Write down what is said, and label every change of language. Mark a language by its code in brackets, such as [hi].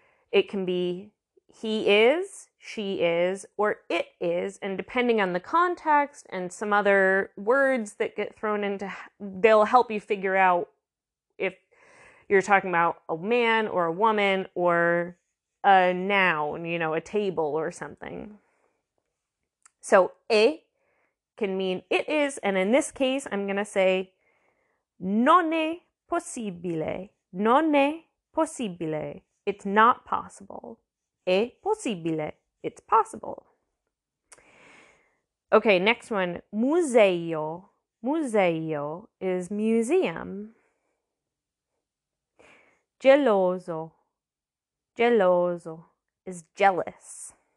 [en] It can be he is, she is, or it is, and depending on the context and some other words that get thrown into, they'll help you figure out if you're talking about a man or a woman or a noun, you know, a table or something. So, e can mean it is, and in this case, I'm gonna say [it] non è possibile, non è possibile. [en] It's not possible. [it] È possibile. [en] It's possible. Okay, next one. Museo. Museo is museum. Geloso. Geloso is jealous.